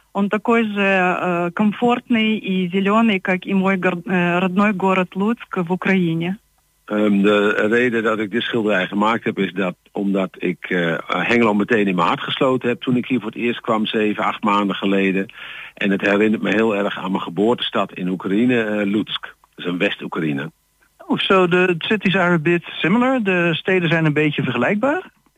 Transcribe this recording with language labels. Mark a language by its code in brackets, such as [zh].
[ru] Он такой же комфортный и зеленый, как и мой родной город Луцк в Украине. [nl] De reden dat ik dit schilderij gemaakt heb is dat omdat ik Hengelo meteen in mijn hart gesloten heb toen ik hier voor het eerst kwam, 7-8 maanden geleden. En het herinnert me heel erg aan mijn geboortestad in Oekraïne, Lutsk. Dus een West-Oekraïne. [en] Oh, so the cities are a bit similar. [nl] De steden zijn een beetje vergelijkbaar.